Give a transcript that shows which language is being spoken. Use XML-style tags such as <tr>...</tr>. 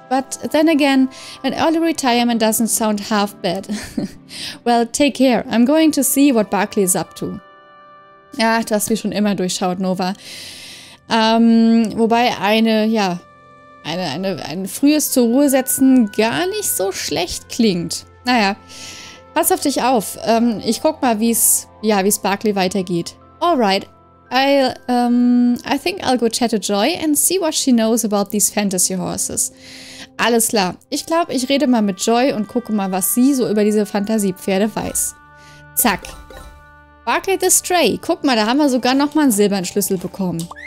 <en>But then again, an early retirement doesn't sound half bad. Well, take care. I'm going to see what Barclay is up to.</en> <de>Ja, das wie schon immer durchschaut, Nova. Wobei ein frühes zur Ruhe setzen gar nicht so schlecht klingt. Naja, pass auf dich auf. Ich guck mal, wie es Barclay weitergeht.</de> <en>Alright, I think I'll go chat to Joy and see what she knows about these fantasy horses.</en> <de>Alles klar. Ich glaube, ich rede mal mit Joy und gucke mal, was sie so über diese Fantasiepferde weiß. Zack. Barclay the Stray. Guck mal, da haben wir sogar nochmal einen silbernen Schlüssel bekommen.</de>